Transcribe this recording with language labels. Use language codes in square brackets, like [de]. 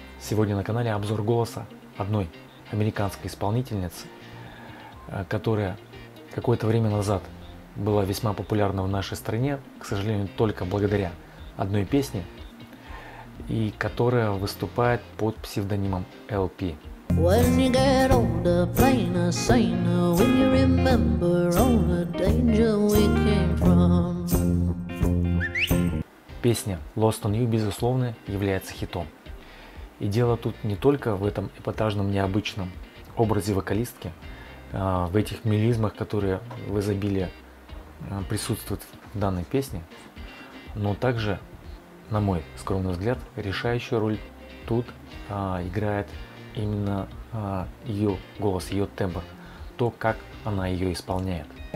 [ru] Сегодня на канале обзор голоса одной американской исполнительницы, которая какое-то время назад была весьма популярна в нашей стране, к сожалению, только благодаря одной песне, и которая выступает под псевдонимом LP. [en] When you get older, plain or saner, when you remember all the danger we came from. [ru] Песня Lost on You, безусловно, является хитом. И дело тут не только в этом эпатажном, необычном образе вокалистки, в этих мелизмах, которые в изобилии присутствуют в данной песне, но также, на мой скромный взгляд, решающую роль тут играет именно ее голос, ее тембр, то, как она ее исполняет.